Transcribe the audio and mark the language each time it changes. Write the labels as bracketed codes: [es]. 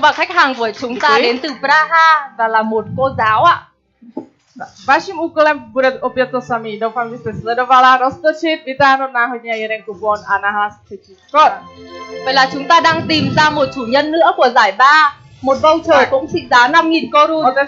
[vi] và khách hàng của chúng ta đến từ Praha và là một cô giáo ạ. [cs] Vaším úkolem bude opět to samý. Doufám, že jste sledovala, roztočit, vytáhnout náhodně jeden kupon a nahlas přečíst kód. [vi] Vậy là chúng ta đang tìm ra một chủ nhân nữa của giải 3, một voucher cũng trị giá 5.000 korun.